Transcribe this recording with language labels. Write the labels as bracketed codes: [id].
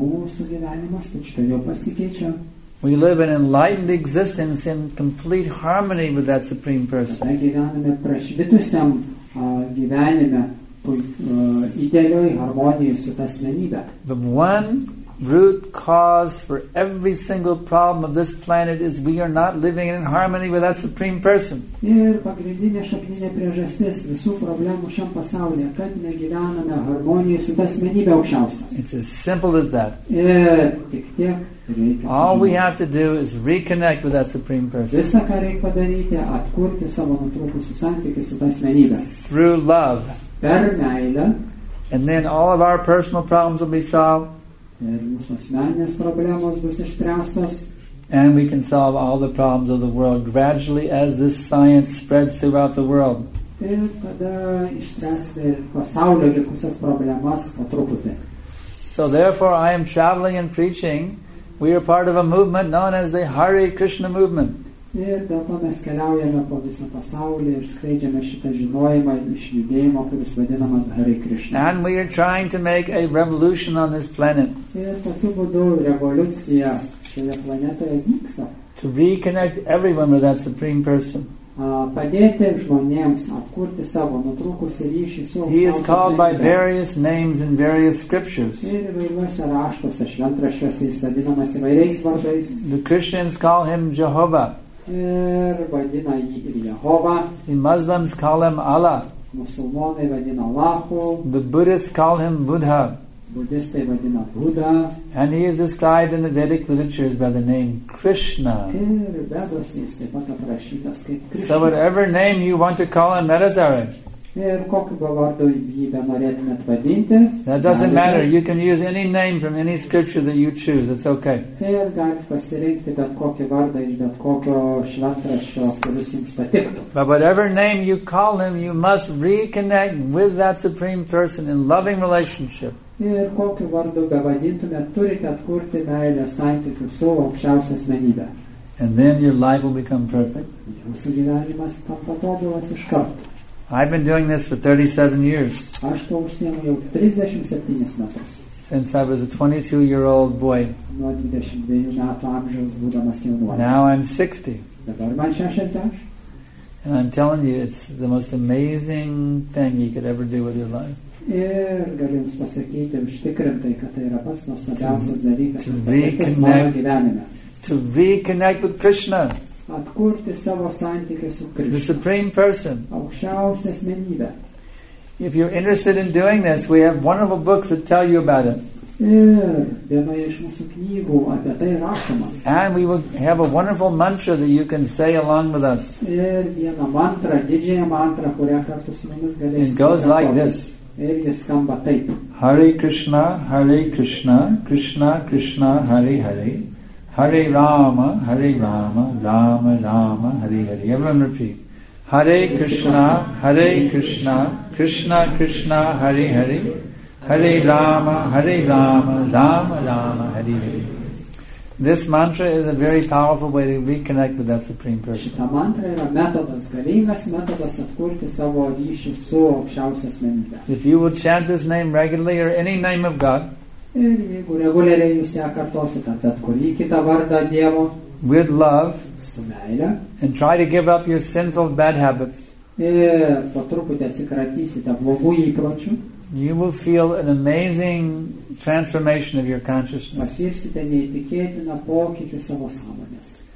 [en] We live an enlightened existence in complete harmony with that Supreme Person. The one root cause for every single problem of this planet is we are not living in harmony with that Supreme Person. [lt] Ir pagrindinė šaknyse priežastis visų problemų šiam pasaulyje, kad negyvename harmonijoje su ta asmenybė aukščiausia. [en] It's as simple as that. [lt] Tik tiek. [en] All we have to do is reconnect with that Supreme Person. [lt] Visa, ką reikia padaryti, atkurti savo nutrūkusį santykį su ta asmenybė. [en] Through love. [lt] Per meilę. [en] And then all of our personal problems will be solved. [lt] Ir mūsų asmeninės problemos bus išspręstos. [en] And we can solve all the problems of the world gradually as this science spreads throughout the world. [lt] Ir tada išspręsti pasaulio likusias problemas po truputį. [en] So therefore I am traveling and preaching. We are part of a movement known as the Hare Krishna movement. [lt] Ir dėl to mes keliaujame po visą pasaulį ir skleidžiame šitą žinojimą iš judėjimo, kuris vadinamas Hare Krishna. [en] And we are trying to make a revolution on this planet. [lt] Ir tokiu būdu revoliucija šioje planetoje vyksta. [en] To reconnect everyone with that Supreme Person. [lt] Padėti žmonėms atkurti savo nutrūkusį ryšį su [en] He is called by various names in various scriptures. [lt] Ir įvairiuose raštuose, šventraščiuose jis vadinamas įvairiais vardais. [en] The Christians call him Jehovah. [lt] Ir vadina jį Jehovah. [en] The Muslims call him Allah. [lt] Musulmonai vadina Allahu. [en] The Buddhists call him Buddha. [lt] Budistai vadina Buddha. [en] And he is described in the Vedic literatures by the name Krishna. [lt] Ir Veduose jis taip pat aprašytas kaip Krishna. [en] So whatever name you want to call him, that is our [lt] Ir kokiu vardu jį benorėtumėt vadinti. [en] That doesn't matter. You can use any name from any scripture that you choose. It's okay. [lt] Ir gali pasirinkti bet kokį vardą iš bet kokio šventraščio, kuris jums patiktų. [en] But whatever name you call him, you must reconnect with that Supreme Person in loving relationship. [lt] Ir kokiu vardu bevadintumėt, turite atkurti meilės santykių su aukščiausia asmenybe. [en] And then your life will become perfect. [lt] Jūsų gyvenimas patobulas iš karto. [en] I've been doing this for 37 years. [lt] Aš to užsiemu jau 37 metus. [en] Since I was a 22-year-old boy. [lt] Nuo 22 metų amžiaus būdamas jaunuolis. [en] Now I'm 60. [lt] Dabar man 60. [en] And I'm telling you, it's the most amazing thing you could ever do with your life. [lt] Ir galiu jums pasakyti, užtikrintai, kad tai yra pats nuostabiausias dalykas mano gyvenime. [en] To reconnect with Krishna. [lt] Atkurti savo santykį su Krishna. [en] The Supreme Person. [lt] Aukščiausia asmenybė. [en] If you're interested in doing this, we have wonderful books that tell you about it. [lt] Ir viena iš mūsų knygų apie tai rašoma. [en] And we will have a wonderful mantra that you can say along with us. [lt] Ir viena mantra, didžiąją mantra, kurią kartu su mumis galėsite. [en] It goes like this. [lt] Ir jis skamba taip. [sa] Hare Krishna, Krishna Krishna, Hare Hare. Hare Rama, Rama Rama, Hare Hare. [en] Everyone repeat. [sa] Hare Krishna, Krishna Krishna, Hare Hare. Hare Rama, Rama Rama, Hare Hare. [en] This mantra is a very powerful way to reconnect with that Supreme Person. [lt] Šita mantra yra metodas, galingas metodas atkurti savo ryšį su aukščiausia asmenybe. [en] If you will chant this name regularly or any name of God, [lt] Ir jeigu reguliariai jūs ją kartosite, tad kurį kitą vardą Dievo [en] with love [lt] su meile [en] and try to give up your sinful bad habits [lt] ir po truputį atsikratysite blogų įpročių [en] you will feel an amazing transformation of your consciousness. [lt] Patirsite neįtikėtiną pokytį savo sąmonės.